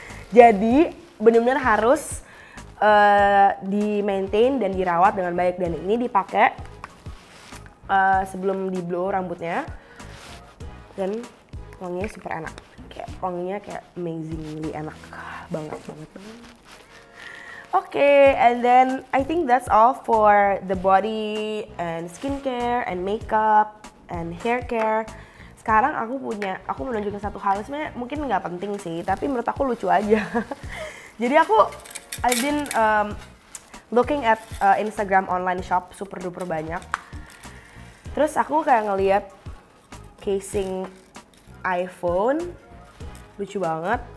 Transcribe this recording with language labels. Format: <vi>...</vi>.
<id>Jadi benar-benar harus di maintain dan dirawat dengan baik, dan ini dipakai sebelum di blow rambutnya dan wanginya super enak, kayak wanginya kayak amazingly enak banget.</id> <en>Okay, and then I think that's all for the body and skincare and makeup and hair care.</en> <id>Sekarang aku menunjukkan satu hal, sebenarnya mungkin nggak penting sih tapi menurut aku lucu aja.</id> <en>Jadi I've been looking at Instagram online shop super duper banyak.</en> <id>Terus aku kayak ngeliat casing iPhone, lucu banget.</id>